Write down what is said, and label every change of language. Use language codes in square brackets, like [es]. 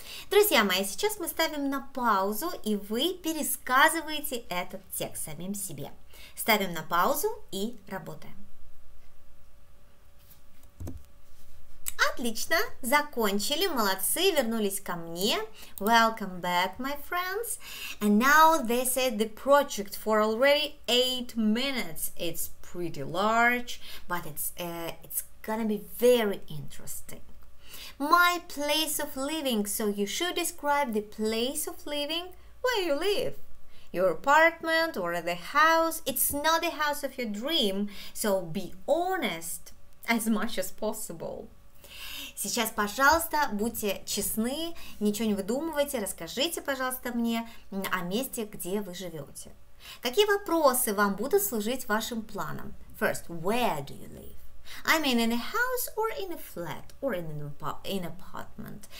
[ru] Друзья мои, сейчас мы ставим на паузу, и вы пересказываете этот текст самим себе. Ставим на паузу и работаем. Отлично, закончили, молодцы, вернулись ко мне. [en] Welcome back, my friends. And now this is the project for already 8 minutes. It's pretty large, but it's gonna be very interesting. My place of living. So you should describe the place of living where you live. your apartment or the house. It's not the house of your dream, so be honest as much as possible. [ru] Сейчас, пожалуйста, будьте честны, ничего не выдумывайте, расскажите, пожалуйста, мне о месте, где вы живете. Какие вопросы вам будут служить вашим планом? [en] First, where do you live? I mean, in a house or in a flat or in an apartment.